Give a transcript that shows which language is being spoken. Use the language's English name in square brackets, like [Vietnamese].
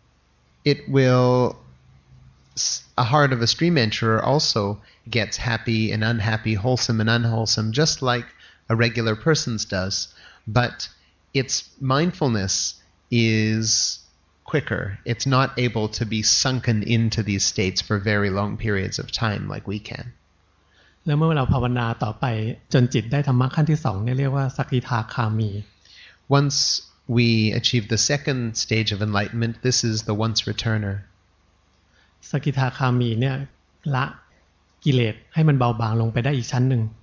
[English] ๆ It will a heart of a stream enterer also gets happy and unhappy, wholesome and unwholesome just like a regular person's does, but its mindfulness is quicker. It's not able to be sunken into these states for very long periods of time like we can. [Thai] แล้วเมื่อเราภาวนาต่อไปจนจิตได้ธรรมะขั้นที่สองเนี่ยเรียกว่าสักกิทาคามี [English] Once we achieve the second stage of enlightenment, this is the once returner. [Thai] สักกิทาคามีเนี่ยละกิเลสให้มันเบาบางลงไปได้อีกชั้นหนึ่ง